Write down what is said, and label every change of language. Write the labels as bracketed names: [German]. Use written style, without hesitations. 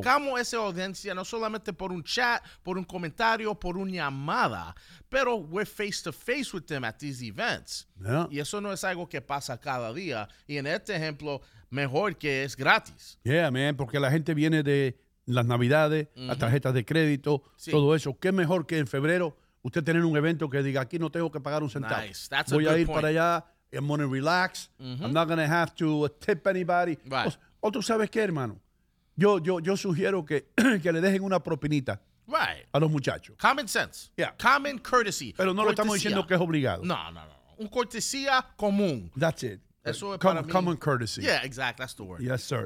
[Spanish] Tocamos esa audiencia no solamente por un chat, por un comentario, por una llamada, pero [English] we're face to face with them at these events. Yeah. [Spanish] Y eso no es algo que pasa cada día. Y en este ejemplo, mejor que es gratis. [English] Yeah, man, [Spanish] porque la gente viene de las navidades, uh-huh, las tarjetas de crédito, sí, todo eso. ¿Qué mejor que en febrero usted tener un evento que diga, aquí no tengo que pagar un centavo? [English] Nice. That's [Spanish] voy [English] a good [Spanish] ir [English] point. [Spanish] Para allá, [English] I'm going to relax, uh-huh, I'm not going to have to tip anybody. Right. [Spanish] O tú sabes qué, hermano, yo sugiero que, que le dejen una propinita, [English] right, [Spanish] a los muchachos. [English] Common sense, yeah, common courtesy. [Spanish] Pero no cortesía. Lo estamos diciendo que es obligado. No. Un cortesía común. [English] That's it. [Spanish] Eso es [English] common courtesy. Yeah, exactly, that's the word. Yes, sir.